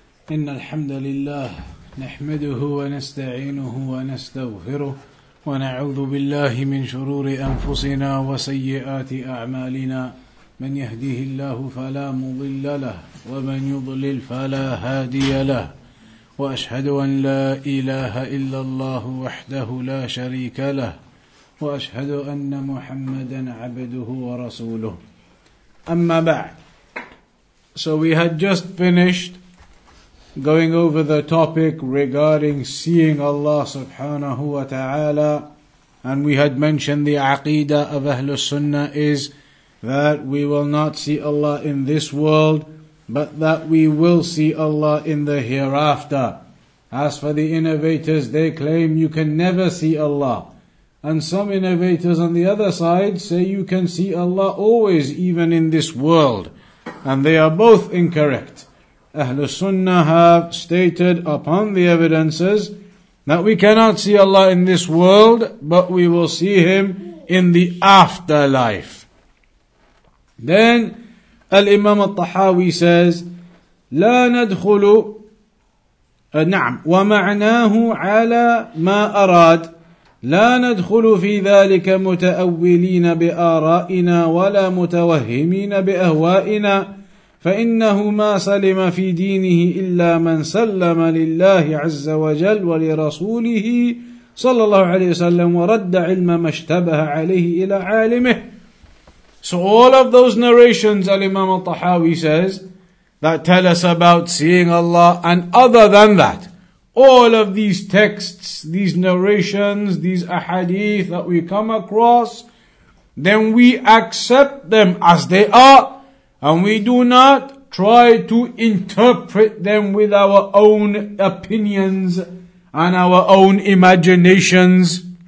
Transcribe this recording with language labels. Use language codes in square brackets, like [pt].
[ar] إن الحمد لله نحمده ونستعينه ونستغفره ونعوذ بالله من شرور أنفسنا وسيئات أعمالنا من يهديه الله فلا مضل له ومن يضلل فلا هادي له وأشهد أن لا إله إلا الله وحده لا شريك له وأشهد أن محمدا عبده ورسوله أما بعد. [en] So we had just finished going over the topic regarding seeing Allah subhanahu wa ta'ala, and we had mentioned the Aqeedah of Ahlul Sunnah is that we will not see Allah in this world, but that we will see Allah in the hereafter. As for the innovators, they claim you can never see Allah. And some innovators on the other side say you can see Allah always, even in this world. And they are both incorrect. Ahlul Sunnah have stated upon the evidences that we cannot see Allah in this world, but we will see Him in the afterlife. Then Al-Imam Al-Tahawi says, [ar] لا ندخل نعم ومعناه على ما أراد لا ندخل في ذلك متأولين بآرائنا ولا متوهمين بأهوائنا فإنه ما سلم في دينه إلا من سلم لله عز وجل ولرسوله صلى الله عليه وسلم ورد علم ما اشتبه عليه إلى عالمه. [en] So all of those narrations, Al-Imam al-Tahawi says, that tell us about seeing Allah, and other than that, all of these texts, these narrations, these ahadith that we come across, then we accept them as they are, and we do not try to interpret them with our own opinions and our own imaginations.